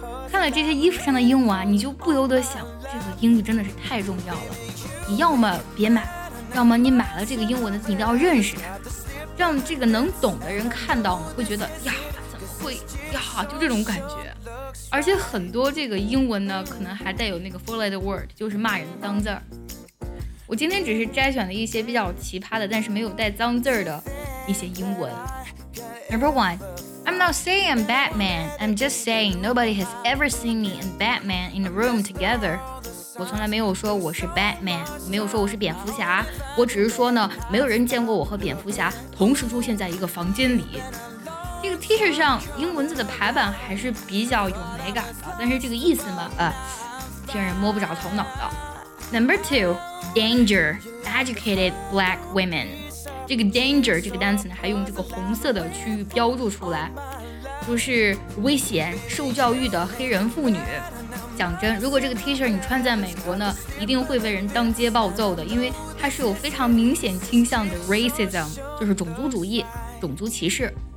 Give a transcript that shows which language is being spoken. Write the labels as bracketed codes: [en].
[zh] 看了这些衣服上的英文啊，你就不由得想，这个英语真的是太重要了，你要么别买，要么你买了这个英文的你都要认识它，让这个能懂的人看到呢会觉得呀怎么会呀，就这种感觉。而且很多这个英文呢可能还带有那个 [en] four letter word， [zh] 就是骂人的脏字儿。我今天只是摘选了一些比较奇葩的但是没有带脏字的一些英文。 [en] Number one, I'm not saying I'm Batman, I'm just saying nobody has ever seen me and Batman in a room together. [zh] 我从来没有说我是 Batman, 没有说我是蝙蝠侠，我只是说呢没有人见过我和蝙蝠侠同时出现在一个房间里。这个 T 恤上英文字的排版还是比较有美感的，但是这个意思嘛，听人摸不着头脑的。 [en] Number two, danger, educated black women. [zh] 这个 danger 这个单词呢还用这个红色的区域标注出来，就是危险受教育的黑人妇女。讲真，如果这个 T 恤你穿在美国呢，一定会被人当街暴揍的，因为它是有非常明显倾向的 racism， 就是种族主义种族歧视。